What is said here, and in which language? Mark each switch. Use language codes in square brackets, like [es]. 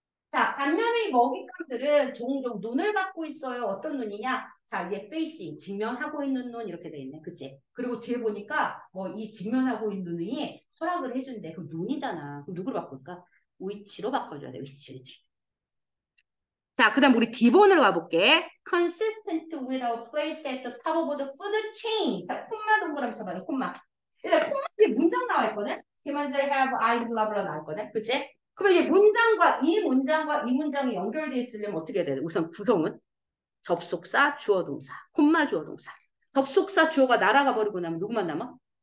[ko] 자, 반면에 먹잇감들은 종종 눈을 갖고 있어요. 어떤 눈이냐? 자, 이게 facing, 직면하고 있는 눈, 이렇게 돼 있네. 그치? 그리고 뒤에 보니까, 뭐, 이 직면하고 있는 눈이 허락을 해준대. 그럼 눈이잖아. 그럼 누구로 바꿀까? which로 바꿔줘야 돼. which, 그치? 자, 그다음 우리 D번으로 가볼게. [en] consistent with a place at the top of the food chain. [ko] 자, 콤마 동그라미 쳐봐요, 콤마. 일단 콤마 뒤에 문장 나와 있거든? [en] humans have eyes, blah, blah, [ko] 나올 거네. 그치? 그럼 이제 문장과, 이 문장과 이 문장이 연결되어 있으려면 어떻게 해야 돼? 우선 구성은? 접속사, 주어, 동사, 콤마, 주어, 동사. 접속사, 주어가 날아가 버리고 나면 누구만 남아?